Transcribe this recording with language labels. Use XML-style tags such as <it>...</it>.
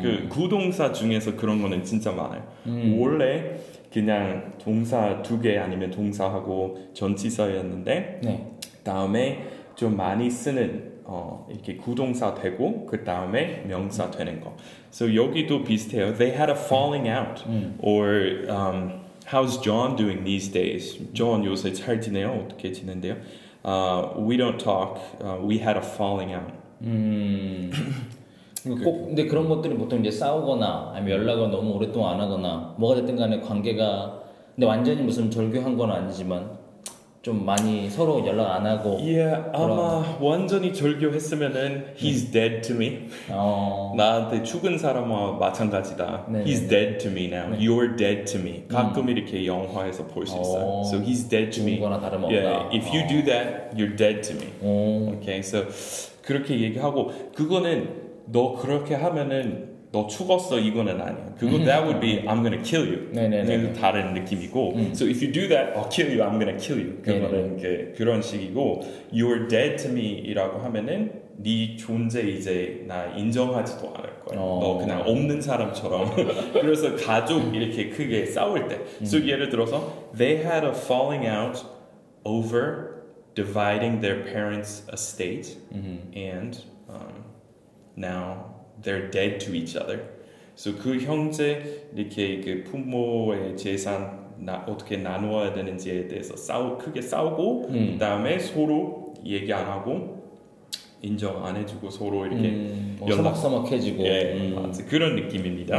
<ko>그 구동사 중에서 그런 거는 진짜 많아요. 원래 그냥 동사 두 개 아니면 동사하고 전치사였는데 네. 다음에 좀 많이 쓰는 이렇게 구동사 되고 그 다음에 명사 되는 거. So 여기도 비슷해요.</ko> <en>They had a falling out or how's John doing these days?</en> <ko>John 요새 잘 지내요? 어떻게 지내는데요?</ko> <en>We don't talk. We had a falling out.</en> <ko>꼭, 근데 그런 것들이 보통 이제 싸우거나 아니면 연락을 너무 오랫동안 안 하거나 뭐가 됐든 간에 관계가 근데 완전히 무슨 절교한 건 아니지만 좀 많이 서로 연락 안 하고 yeah, 아마 완전히 절교했으면은</ko> <en>he's dead to me.</en> <ko>나한테 죽은 사람과 마찬가지다.</ko> <en>네. He's dead to me now. 네. You're dead to me.</en> <ko>가끔 이렇게 영화에서 볼 수 있어요.</ko> <en>So he's dead to me.</en> <ko>죽은 거나 다름없다.</ko> <en>Yeah, if you do that, you're dead to me.</en> <ko>Okay, so 그렇게 얘기하고 그거는 너 그렇게 하면은 너 죽었어 이거는 아니야.</ko> <en>그거 that would be I'm gonna kill you.</en> <ko>네네네. 그 다른 느낌이고.</ko> <en>So if you do that, I'll kill you. I'm gonna kill you.</en> <ko>그거는 네네. 그런 식이고.</ko> <en>You're dead to me</en> <ko>이라고 하면은 네 존재 이제 나 인정하지도 않을 거야. 너 그냥 없는 사람처럼. 그래서 가족 이렇게 크게 싸울 때.</ko> <en>So</en> <ko>예를 들어서</ko> <en>they had a falling out over dividing their parents' estate and now. They're dead to each other.</en> <ko>So 그 형제 이렇게 그 부모의 재산 나 어떻게 나누어야 되는지에 대해서 크게 싸우고 그다음에 서로 얘기 안 하고 인정 안 해주고 서로 이렇게 서먹서먹해지고 예, 그런 느낌입니다.</ko>